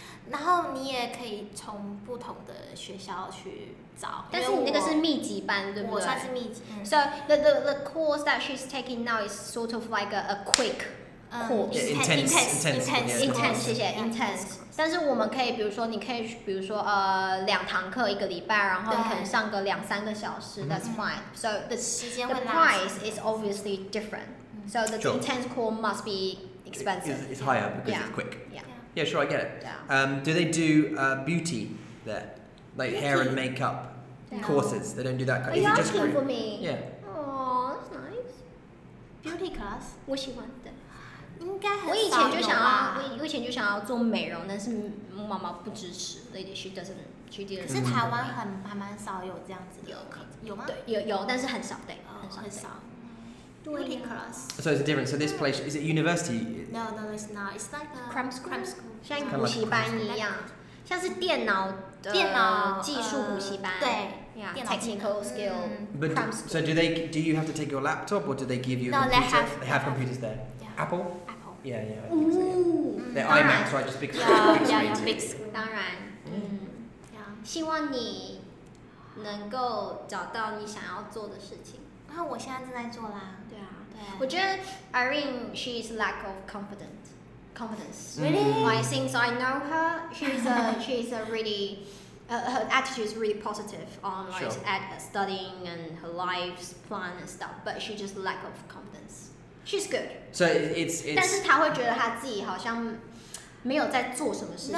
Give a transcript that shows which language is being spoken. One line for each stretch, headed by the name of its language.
Chinese: 然后你也可以从不同的学校去找，但是你那个是密集班，对不对？我算是密集。
English: So the course that she's taking now is sort of like a quick course. Intense.
Chinese: 但是我们可以，比如说，你可以，比如说，两堂课一个礼拜，然后可能上个两三个小时 ，
English: That's fine. So the price is obviously different. So the intense course must be expensive. It's higher because it's quick. Yeah. Yeah, sure, I get it.、 Yeah. Do they do beauty there? Like hair and makeup、 yeah. courses? They don't do that kind of thing. Are you asking for me? Yeah. Aww, that's nice. Beauty class?
Chinese: 我喜欢的。应该很少有吧。我以前就想要做美容，但是妈妈不支持。
English: Lady, she doesn't. She didn't.
Chinese: 可是台湾还蛮少有这样子的课，有吗？对，有，但是很少，对，很少。
English: Beauty class. So it's different. So this place, is it university? No, it's not. It's like a cram school.
Chinese: 像补习班一样，像是电脑的电脑技术补习班。对
English: ，Yeah, technical skill. But so do you have to take your laptop or do they give you a computer? No, they have computers there. Yeah. Apple? Apple. Yeah, yeah. They're iMacs, right? Just big screen. Yeah, big screen.
Chinese: 当然。
English: Yeah.
Chinese: 希望你能够找到你想要做的事情。那我现在正在做啦。我觉得
English: Irene, she is lack of confidence. Really? Like, since I know her, she's a really, her attitude is really positive on like、 sure. at studying and her life's plan and stuff, but she just lack of confidence. She's good. So it's
Chinese: 但是她会觉得她自己好像没有在做什么事情。